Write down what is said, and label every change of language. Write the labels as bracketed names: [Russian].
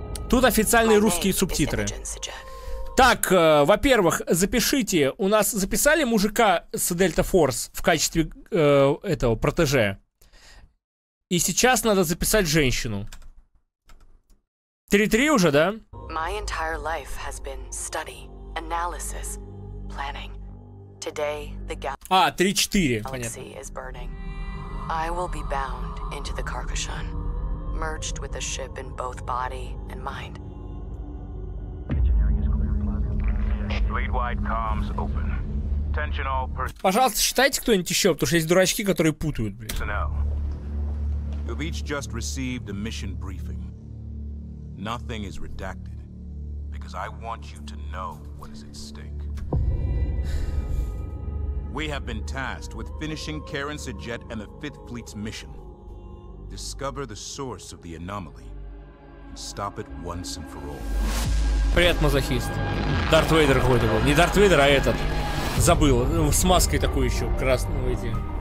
[Russian] Тут официальные русские субтитры. Так, во-первых, запишите, у нас записали мужика с Delta Force в качестве этого, протеже. И сейчас надо записать женщину. 3-3 уже, да? [English] My entire life has been study, analysis, planning. Today, the galaxy is burning. I will be bound into the Carcassonne, merged with the ship in both body and mind. Fleet-wide comms open. Attention all personnel. [Russian] Пожалуйста, считайте кто-нибудь еще, потому что есть дурачки, которые путают, блин. [English] You've each just received a mission briefing. Nothing is redacted. Because I want you to know what is at stake. We have been tasked with finishing Karen Sajet and the Fifth Fleet's mission. Discover the source of the anomaly and stop it once and for all. [Russian] Привет, мазохист. Дарт Вейдер какой-то был. Не Дарт Вейдер, а этот. Забыл. С маской такой еще красный эти.